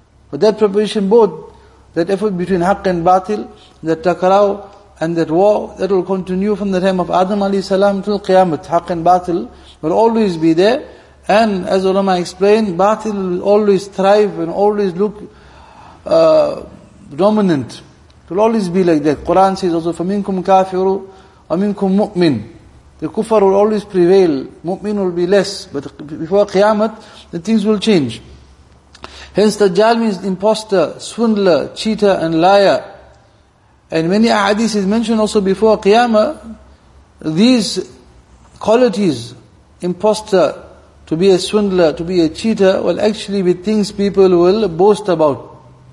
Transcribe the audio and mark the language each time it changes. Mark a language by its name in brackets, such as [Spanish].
[English] But that preparation, both that effort between Haqq and Batil, that takraw and that war, that will continue from the time of Adam alayhi salam till Qiyamah. Haqq and Batil will always be there. And as ulama explained, Batil will always thrive and always look dominant. It will always be like that. Quran says also, [Arabic] فَمِنْكُمْ كَافِرُ وَمِنْكُمْ مُؤْمِنُ. [English] The kufr will always prevail, mu'min will be less, but before Qiyamah, the things will change. Hence, Dajjal means imposter, swindler, cheater, and liar. And many ahadith is mentioned also before Qiyamah, these qualities, imposter, to be a swindler, to be a cheater, will actually be things people will boast about.